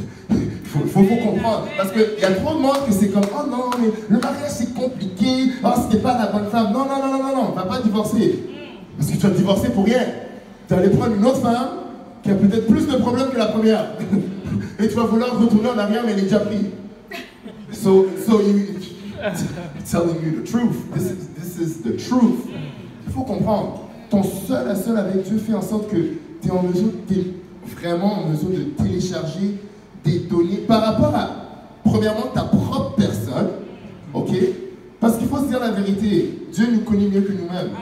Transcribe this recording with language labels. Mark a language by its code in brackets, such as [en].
[fr] Il faut comprendre. Parce qu'il y a trop de monde qui c'est comme « Oh non, mais le mariage c'est compliqué, oh c'était pas la bonne femme. » Non, va pas divorcer. Parce que tu as divorcé pour rien. Tu es allé prendre une autre femme qui a peut-être plus de problèmes que la première. Et tu vas vouloir retourner en arrière, mais elle est déjà prise. [en] So you telling you the truth. This is the truth. [fr] Il faut comprendre. Ton seul à seul avec Dieu fait en sorte que tu es en mesure, tu es vraiment en mesure de télécharger des données par rapport à, premièrement, ta propre personne. OK? Parce qu'il faut se dire la vérité. Dieu nous connaît mieux que nous-mêmes.